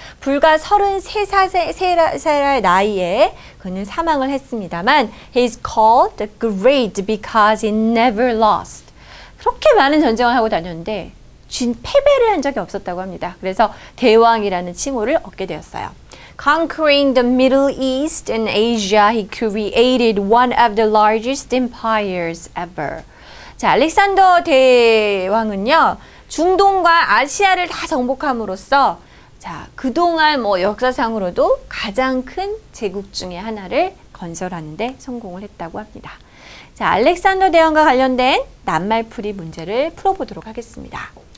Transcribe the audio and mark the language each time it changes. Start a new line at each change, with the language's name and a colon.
Korean: 불과 33살의 나이에 그는 사망을 했습니다만
English: he is called the great because he never lost.
Korean: 그렇게 많은 전쟁을 하고 다녔는데 진 패배를 한 적이 없었다고 합니다. 그래서 대왕이라는 칭호를 얻게 되었어요.
English: Conquering the Middle East and Asia, he created one of the largest empires ever.
Korean: 자, 알렉산더 대왕은요, 중동과 아시아를 다 정복함으로써, 자, 그동안 뭐 역사상으로도 가장 큰 제국 중에 하나를 건설하는데 성공을 했다고 합니다. 자, 알렉산더 대왕과 관련된 낱말풀이 문제를 풀어보도록 하겠습니다.